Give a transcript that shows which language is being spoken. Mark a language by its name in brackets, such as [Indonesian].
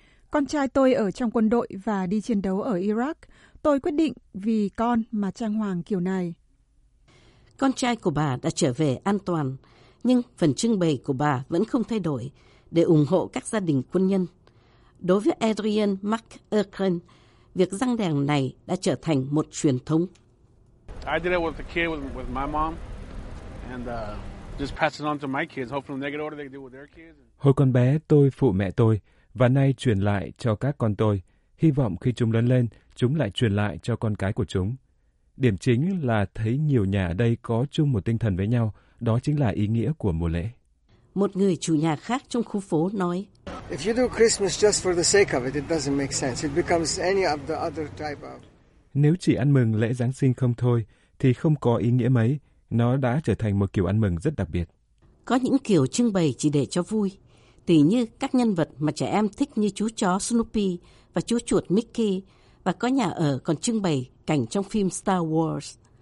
[Vietnamese] Con trai tôi ở trong quân đội và đi chiến đấu ở Iraq. Tôi quyết định vì con mà trang hoàng kiểu này. Con trai của bà đã trở về an toàn, nhưng phần trưng bày của bà vẫn không thay đổi để ủng hộ các gia đình quân nhân. Đối với Adrian Mark Erkren, việc răng đèn này đã trở thành một truyền thống. [English] I did it with the kid with my mom and just pass it on to my kids. Hopefully when they get older they can do it with their kids. [Vietnamese] Hồi còn bé tôi phụ mẹ tôi và nay truyền lại cho các con tôi. Hy vọng khi chúng lớn lên, chúng lại truyền lại cho con cái của chúng. Điểm chính là thấy nhiều nhà ở đây có chung một tinh thần với nhau, đó chính là ý nghĩa của mùa lễ. Một người chủ nhà khác trong khu phố nói: [English] If you do Christmas just for the sake of it, it doesn't make sense. It becomes any of the other type of. [Vietnamese] Nếu chỉ ăn mừng lễ Giáng sinh không thôi, thì không có ý nghĩa mấy. Nó đã trở thành một kiểu ăn mừng rất đặc biệt. Có những kiểu trưng bày chỉ để cho vui. Tỷ như các nhân vật mà trẻ em thích như chú chó Snoopy và chú chuột Mickey, và có nhà ở còn trưng bày cảnh trong phim Star Wars.